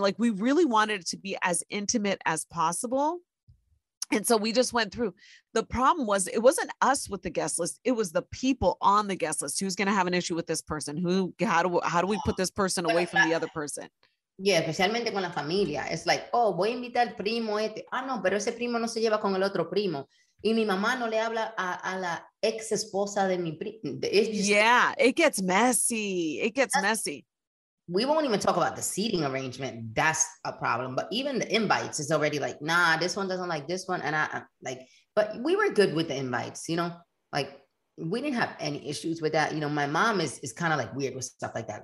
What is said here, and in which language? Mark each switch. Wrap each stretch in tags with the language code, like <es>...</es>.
<en>Like, we really wanted it to be as intimate as possible. And so we just went through. The problem was, it wasn't us with the guest list. It was the people on the guest list. Who's going to have an issue with this person? How do we put this person away from the other person?</en> <es>Yeah, especialmente con la familia.</es> <en>It's like, oh,</en> <es>voy a invitar al primo este. Ah, no, pero ese primo no se lleva con el otro primo. Y mi mamá no le habla a la ex esposa de mi primo.</es> <en>Yeah, it gets messy. We won't even talk about the seating arrangement. That's a problem. But even the invites is already like, nah, this one doesn't like this one. And I like, but we were good with the invites, you know, like we didn't have any issues with that. You know, my mom is kind of like weird with stuff like that.</en>